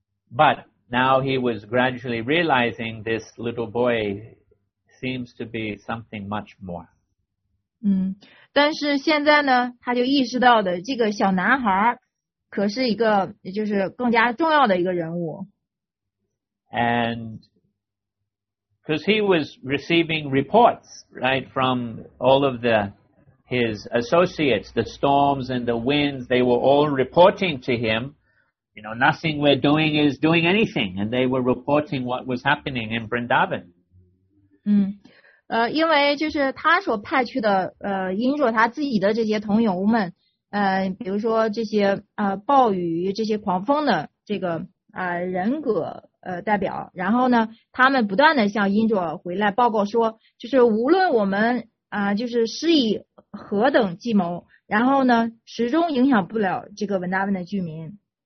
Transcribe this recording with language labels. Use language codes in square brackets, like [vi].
[en] But now he was gradually realizing this little boy seems to be something much more. [zh] 但是现在呢，他就意识到的这个小男孩可是一个就是更加重要的一个人物。 [en] And because he was receiving reports, right, from all of his associates, the storms and the winds, they were all reporting to him, you know, nothing we're doing is doing anything, and they were reporting what was happening in Vrindavan. [zh] 因为就是他所派去的Indra他自己的这些同友们比如说这些暴雨这些狂风的这个人格代表，然后呢他们不断的向Indra回来报告说，就是无论我们就是施以何等计谋，然后呢始终影响不了这个Vrindavan的居民。